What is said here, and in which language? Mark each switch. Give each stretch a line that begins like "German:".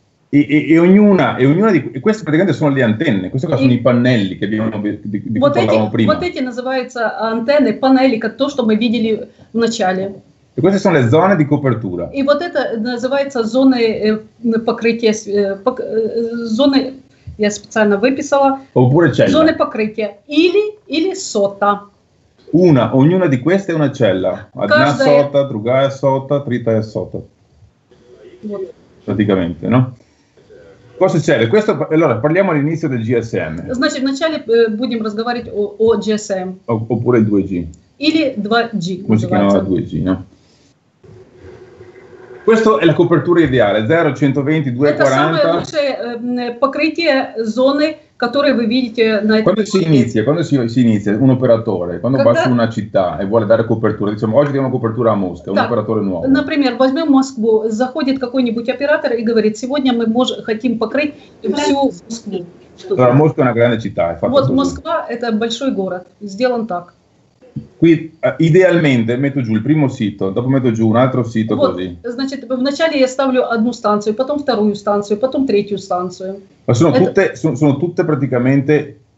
Italian: И questo praticamente sono le antenne, questo qua sono i pannelli che abbiamo di cui parlavamo prima.
Russian: Вот эти называются антенны, панели, то, что мы видели в начале.
Italian: E queste sono le zone di copertura.
Russian: И вот это называется зоны покрытия, зоны, я специально выписала.
Italian: Oppure c'è.
Russian: Зоны покрытия или сота.
Italian: Una, ognuna di queste è una cella. Una sota, другая sota, trita è sota. Praticamente, no? Cosa succede? Questo, allora, parliamo all'inizio del GSM.
Russian: Значит, вначале будем разговаривать о GSM.
Italian: Oppure il 2G.
Russian: Или 2G.
Italian: Come si chiamava 2G, no? Questa è la copertura ideale, 0, 120, 240.
Russian: Это самое лучшее покрытие зоны, которые вы видите на этой.
Italian: Quando si inizia, un operatore, quando basta una città e vuole dare copertura, diciamo, oggi diamo copertura a Mosca, un operatore nuovo.
Russian: Например, возьмем Москву, заходит какой-нибудь оператор и говорит, сегодня мы хотим покрыть всю Москву.
Italian: Allora, Mosca è una grande città, è fatto così.
Russian: Вот Москва – это большой город, сделан так.
Italian: Qui idealmente metto giù il primo sito, dopo metto giù un altro sito così.
Russian: Значит, вначале я ставлю одну станцию, потом вторую станцию, потом третью станцию.
Italian: Ma sono tutte sono tutte praticamente.